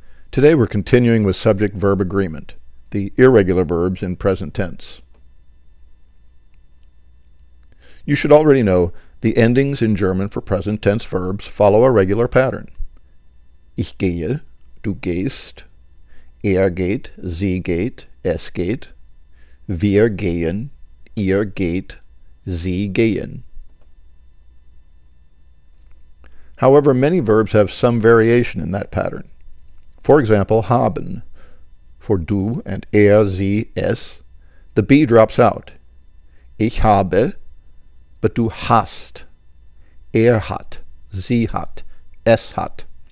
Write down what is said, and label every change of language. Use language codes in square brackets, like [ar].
[en] Today we're continuing with subject-verb agreement, the irregular verbs in present tense. You should already know the endings in German for present tense verbs follow a regular pattern. [de] Ich gehe, du gehst, geht, sie geht, geht, wir gehen, geht, sie gehen. [en] However, many verbs have some variation in that pattern. For example, haben. For du and [de] sie, es, [en] the B drops out. [de] Ich habe, but du hast. Hat, sie hat, es hat.